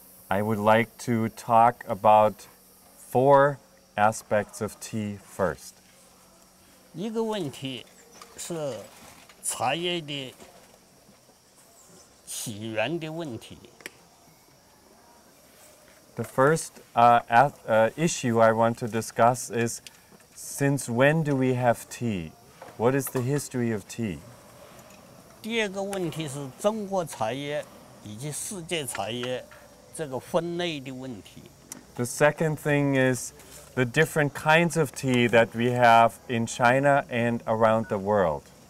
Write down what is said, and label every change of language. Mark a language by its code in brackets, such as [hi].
[en] I would like to talk about four aspects of tea first. [zh] 一个问题是茶叶的起源的问题。 [en] The first issue I want to discuss is, since when do we have tea? What is the history of tea? [zh] 第二个问题是中国茶叶以及世界茶叶这个分类的问题。 [en] The second thing is the different kinds of tea that we have in China and around the world.